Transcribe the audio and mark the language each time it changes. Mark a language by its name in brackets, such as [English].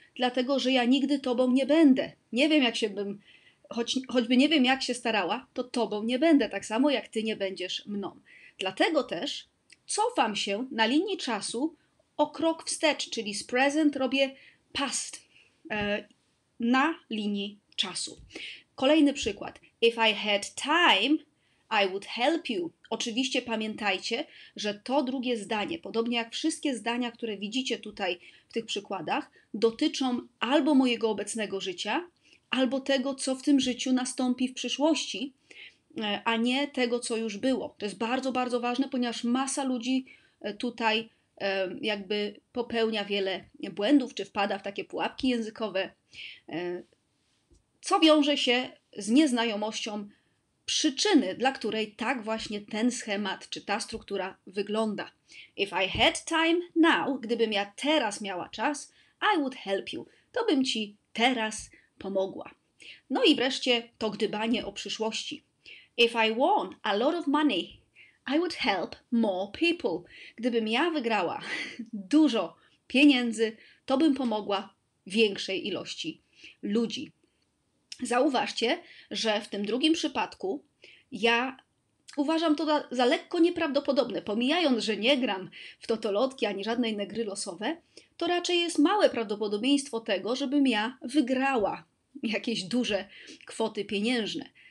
[Polish] Dlatego, że ja nigdy tobą nie będę. Nie wiem, jak się bym, choćby nie wiem, jak się starała, to tobą nie będę, tak samo jak ty nie będziesz mną. Dlatego też cofam się na linii czasu o krok wstecz, czyli z present robię past na linii czasu. Kolejny przykład. [English] If I had time, I would help you. [Polish] Oczywiście pamiętajcie, że to drugie zdanie, podobnie jak wszystkie zdania, które widzicie tutaj w tych przykładach, dotyczą albo mojego obecnego życia, albo tego, co w tym życiu nastąpi w przyszłości, a nie tego, co już było. To jest bardzo, bardzo ważne, ponieważ masa ludzi tutaj jakby popełnia wiele błędów, czy wpada w takie pułapki językowe, co wiąże się z nieznajomością przyczyny, dla której tak właśnie ten schemat, czy ta struktura wygląda. [English] If I had time now, [Polish] gdybym ja teraz miała czas, [English] I would help you. [Polish] To bym ci teraz pomogła. No i wreszcie to gdybanie o przyszłości. [English] If I won a lot of money, I would help more people. [Polish] Gdybym ja wygrała dużo pieniędzy, to bym pomogła większej ilości ludzi. Zauważcie, że w tym drugim przypadku ja uważam to za lekko nieprawdopodobne. Pomijając, że nie gram w totolotki ani żadne inne gry losowe, to raczej jest małe prawdopodobieństwo tego, żebym ja wygrała jakieś duże kwoty pieniężne.